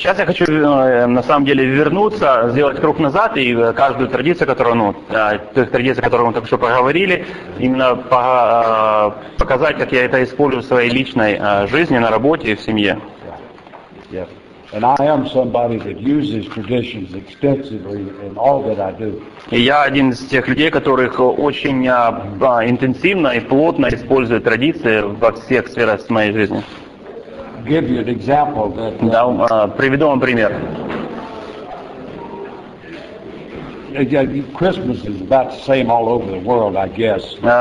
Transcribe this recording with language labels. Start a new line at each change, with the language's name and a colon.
Russian: Сейчас я хочу на самом деле вернуться, сделать круг назад и каждую традицию, которую, ну, то есть традицию, которую мы только что поговорили, именно показать, как я это использую в своей личной жизни, на работе и в семье.
English: Yeah. And I am somebody that uses traditions extensively in all that I do.
Russian: И я один из тех людей, которых очень интенсивно и плотно использует традиции во всех сферах моей жизни.
English: Give you an example that.
Russian: Приведу вам пример.
English: Christmas is about the same all over the world, I guess.